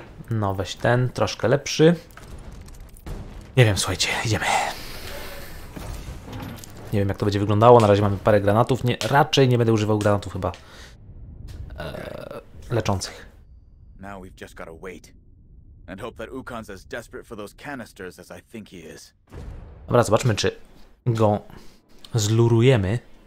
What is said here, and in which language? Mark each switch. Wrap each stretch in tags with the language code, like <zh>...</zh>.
<pl>No, weź ten, troszkę lepszy. Nie wiem, słuchajcie, idziemy. Nie wiem, jak to będzie wyglądało. Na razie mamy parę granatów. Nie, raczej nie będę używał granatów chyba leczących.</pl> <en>Now we've just gotta wait and hope that Ukon's as desperate for those canisters as I think he is.</en> <pl>Dobra, zobaczmy, czy go zlurujemy.</pl>